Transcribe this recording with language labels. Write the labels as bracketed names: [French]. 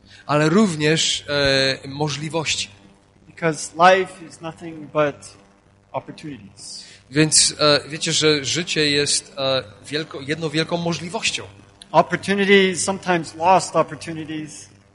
[Polish] Ale również możliwości. [English] Because life is nothing but opportunities. [Polish] Więc wiecie, że życie jest jedną wielką możliwością. [English] Opportunities, sometimes lost opportunities.